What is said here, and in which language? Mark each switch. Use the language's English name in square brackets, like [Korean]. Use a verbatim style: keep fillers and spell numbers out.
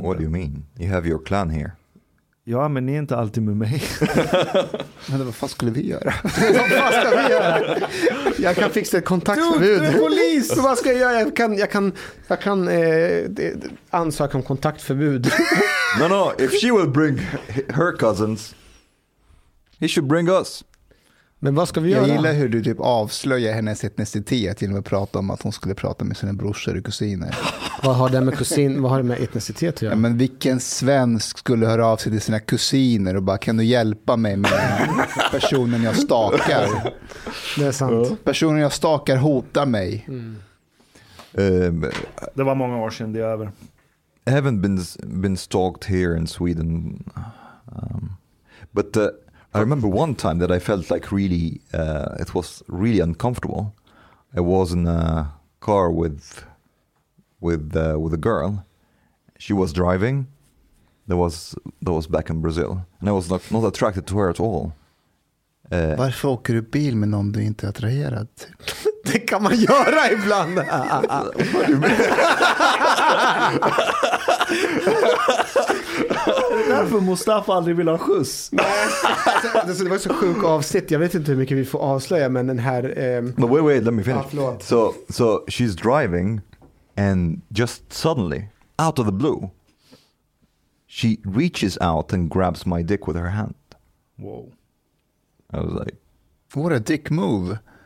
[English] What do you mean? You have your clan here. [Swedish] Ja, men ni är inte alltid med mig. Men vad fan skulle vi göra? Vad fan ska vi göra? Jag kan fixa ett kontaktförbud. Du, du är polis! Vad ska jag göra? Jag kan, jag kan, jag kan eh, ansöka om kontaktförbud. [English] No, no. If she will bring her cousins, he should bring us. [Swedish] Men vad ska vi jag göra? Jag gillar hur du typ avslöjar hennes etnicitet genom att prata om att hon skulle prata med sina brorsor och kusiner. Vad har det med kusin, vad har det med etnicitet att göra? Ja, men vilken svensk skulle höra av sig till sina kusiner och bara, kan du hjälpa mig med personen jag stakar? Det är sant. Personen jag stakar hotar mig. Mm. Um, det var många år sedan, det är över. [English] I haven't been been stalked here in Sweden. Um, but uh, I remember one time that I felt like really, uh, it was really uncomfortable. I was in a car with, with, uh, with a girl. She was driving. There was, there was back in Brazil, and I was not, not attracted to her at all. [Swedish] Uh, Varför åker du bil med någon du inte är attraherad? Det kan man göra ibland. Därför Mustafa aldrig vill ha skjuts. Nej, alltså, det var så sjukt avsnitt. Jag vet inte hur mycket vi får avslöja, men den här... Eh... [English] But wait, wait, let me finish. Ah, so, so she's driving and just suddenly, out of the blue, she reaches out and grabs my dick with her hand. Wow. I was like, what a dick move.